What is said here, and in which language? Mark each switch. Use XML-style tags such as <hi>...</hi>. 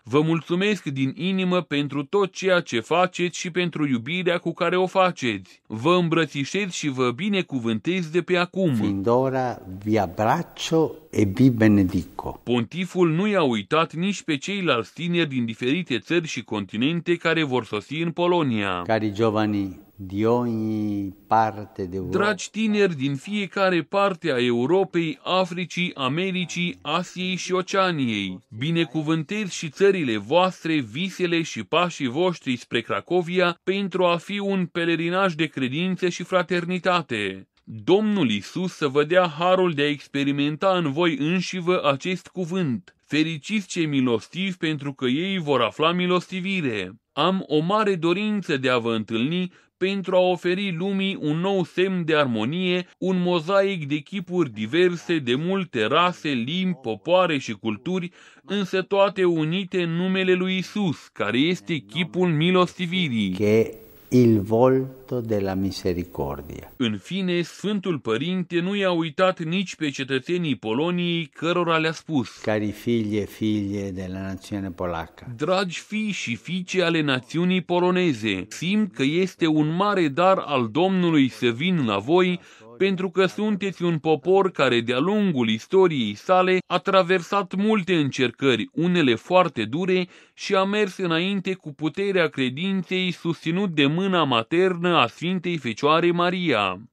<ro>Vă mulțumesc din inimă pentru tot ceea ce faceți și pentru iubirea cu care o faceți. Vă îmbrățișez și vă binecuvântez de pe acum.</ro> <it>Findora vi abbraccio e vi benedico.</it> <ro>Pontiful nu i-a uitat nici pe ceilalți tineri din diferite țări și continente care vor sosi în Polonia.</ro> <it>Cari giovani di ogni parte d'Europa.</it> <ro>Dragi tineri din fiecare parte a Europei, Africii, Americii, Asiei și Oceaniei, binecuvântez și țările voastre, visele și pașii voștri spre Cracovia pentru a fi un pelerinaj de credință și fraternitate. Domnul Iisus să vă dea harul de a experimenta în voi înșivă acest cuvânt. Fericiți cei milostivi, pentru că ei vor afla milostivire. Am o mare dorință de a vă întâlni pentru a oferi lumii un nou semn de armonie, un mozaic de chipuri diverse, de multe rase, limbi, popoare și culturi, însă toate unite în numele lui Iisus, care este chipul milostivirii.</ro> <it>Il volto della misericordia.</it> <ro>În fine, Sfântul Părinte nu i-a uitat nici pe cetățenii Poloniei cărora le-a spus:</ro> <it>cari figli e figlie della nazione polacca.</it> <ro>Dragi fii și fiice ale națiunii poloneze, simt că este un mare dar al Domnului să vin la voi, pentru că sunteți un popor care de-a lungul istoriei sale a traversat multe încercări, unele foarte dure, și a mers înainte cu puterea credinței susținut de mâna maternă a Sfintei Fecioare Maria.</ro>